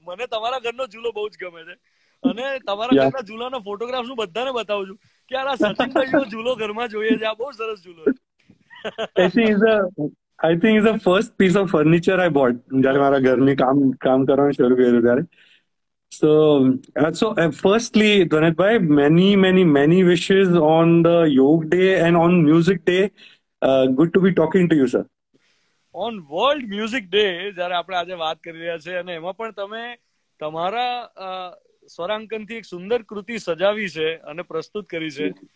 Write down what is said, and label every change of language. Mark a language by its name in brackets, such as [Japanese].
[Gujarati] મને તમારા ઘરનો ઝૂલો બહુ જ ગમે છે, અને તમારા ઘરના ઝૂલાનો ફોટોગ્રાફ હું બધાને બતાવું છું કે આ સચિનભાઈનો ઝૂલો ઘરમાં જોઈએ છે. આ બહુ સરસ ઝૂલો છે. [English] it is a, I think is a first piece of furniture I bought [Gujarati] જ્યારે મારા ઘરની કામ કરવાનું શરૂ કર્યું ત્યારે. [English] So, firstly, Dhvanit bhai, many, many, many wishes on the yoga day and on music day. Good to be talking to you, sir. [Gujarati] On World Music Day, જ્યારે આપણે આજે વાત કરી રહ્યા છે, અને એમાં પણ તમે તમારા સ્વરાંકનથી એક સુંદર કૃતિ સજાવી છે અને પ્રસ્તુત કરી છે.